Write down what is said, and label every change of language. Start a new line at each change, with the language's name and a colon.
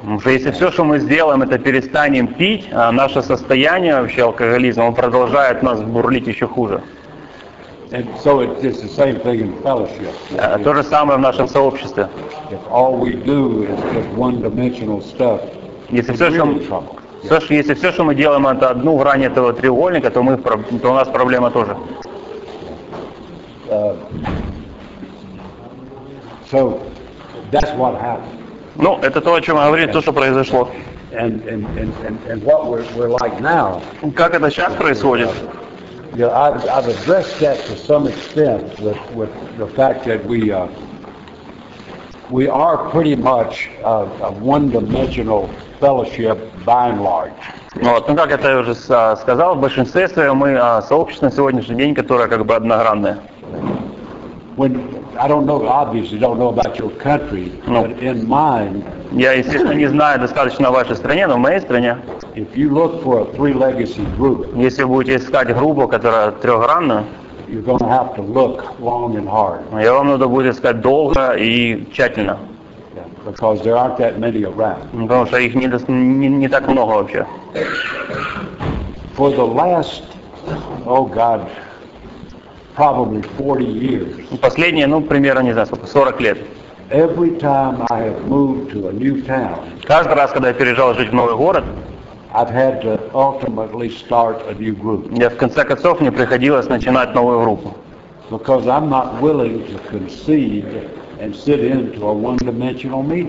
Russian: Если все, что мы сделаем, это перестанем пить, а наше состояние вообще алкоголизма, он продолжает нас бурлить еще хуже.
English: And so it's the same thing in fellowship.
Russian: То же самое в нашем сообществе.
English: If all we do is just one-dimensional stuff,
Russian: если все, что мы делаем, это одну грань этого треугольника, то у нас проблема тоже.
English: So that's what happened.
Russian: Ну, это то, о чем говорит, то, что произошло.
English: And what we're like now.
Russian: Как это сейчас происходит?
English: Yeah, I've addressed that to some extent with the fact that we are pretty much a one-dimensional fellowship by and large.
Russian: Вот, ну как это я уже сказал, в большинстве своем мы сообщество на сегодняшний день, которое как бы одногранное. Я, естественно, не знаю достаточно о вашей стране, но в моей стране.
English: If you look for a three legacy group,
Russian: если будете искать группу, которая трехгранная,
English: you're gonna have to look long and hard.
Russian: Я вам надо будет искать долго и тщательно.
English: Yeah, because there aren't that many around.
Russian: Потому что их не так много вообще.
English: For the last, oh God, probably 40 years.
Russian: Последние, примерно, не знаю, сколько, 40 лет.
English: Every time I have moved to a new town.
Russian: Каждый раз, когда я переезжал жить в новый город,
English: I've had to ultimately start a new group.
Russian: Я в конце концов мне приходилось начинать новую группу.
English: Because I'm not willing to concede and sit into a one-dimensional meeting.